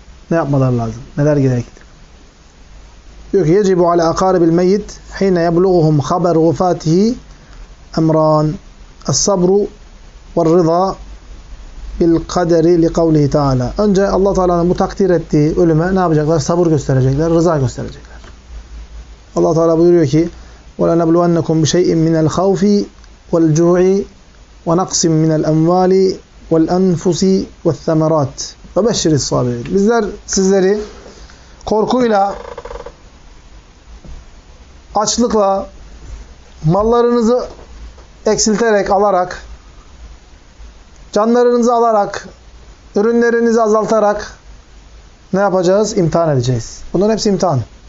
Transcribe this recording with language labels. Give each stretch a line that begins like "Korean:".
Turkish: Ne yapmalar lazım? Neler gerektir? Diyor ki
Arabic: يَجِبُ عَلَى اَقَارِبِ الْمَيِّتِ حِينَ يَبْلُغُهُمْ خَبَرْ غُفَاتِهِ اَمْرًا السَّبْرُ وَالْرِضَى بِالْقَدَرِ لِقَوْلِهِ تَعَالَى.
Turkish: Önce Allah Teala'nın bu takdir ettiği ölüme ne yapacaklar? Sabır gösterecekler, rıza gösterecekler. Allah Teala buyuruyor ki
Arabic: وَلَنَبْلُوَنَّكُمْ بِشَيْءٍ مِنَ الْخَوْفِ وَالْجُوعِ وَنَقْسٍ مِنَ الْاَمْوَالِ وَالْاَنْفُسِ وَالْثَمَرَاتِ وَبَشِّرِ الصَّابِرِينَ.
Turkish: Bizler sizleri korkuyla, açlıkla, mallarınızı eksilterek, alarak, canlarınızı alarak, ürünlerinizi azaltarak ne yapacağız? İmtihan edeceğiz. Bunların hepsi imtihan.